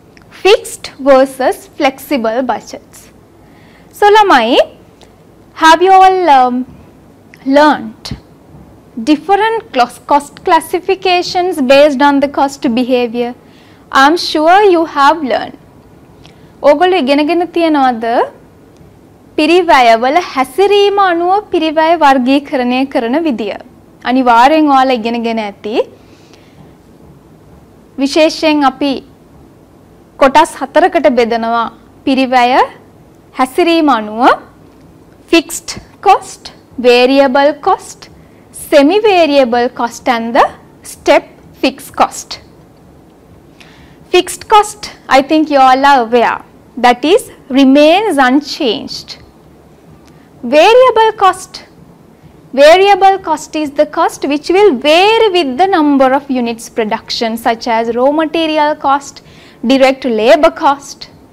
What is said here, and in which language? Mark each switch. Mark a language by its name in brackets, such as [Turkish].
[English] Fixed versus flexible budgets. So, Lamai, have you all learnt different cost classifications based on the cost behavior? I'm sure you have learned. [Sinhala] ඔගොල්ලෝ ඉගෙනගෙන තියනවාද පිරිවැයවල හැසිරීම අනුව පිරිවැය වර්ගීකරණය කරන විදිය? අනිවාර්යෙන් ඔයාලා ඉගෙනගෙන ඇති. විශේෂයෙන් අපි කොටස් හතරකට බෙදනවා පිරිවැය හැසිරීම අනුව [English] fixed cost, variable cost, semi-variable cost and the step fixed cost. Fixed cost, I think you all are aware, that is remains unchanged. Variable cost, variable cost is the cost which will vary with the number of units production, such as raw material cost, direct labor cost.